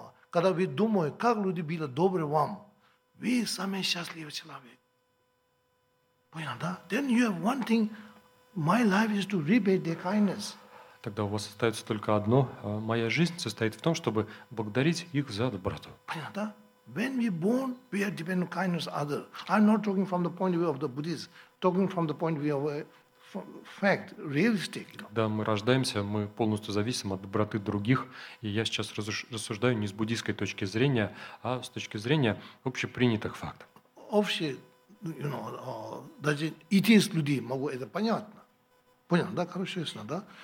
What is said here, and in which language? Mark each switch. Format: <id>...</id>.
<ru>Когда вы думаете, как люди были добры вам, вы самый счастливый человек. Понятно, да?</ru> <en>Then you have one thing. My life is to repay their kindness.</en> <ru>Тогда у вас остается только одно. Моя жизнь состоит в том, чтобы благодарить их за доброту. Понятно, да?</ru> <en>When we born, we are dependent on kindness other. I'm not talking from the point of view of the Buddhists. Talking from the point of view of a fact, realistic.</en> <ru>Когда мы рождаемся, мы полностью зависим от доброты других. И я сейчас рассуждаю не с буддийской точки зрения, а с точки зрения общепринятых фактов. Общие.</ru> <en>You know,</en> <ru>даже идти с людьми, могу это понятно. Понятно, да? Хорошо, ясно, да?</ru>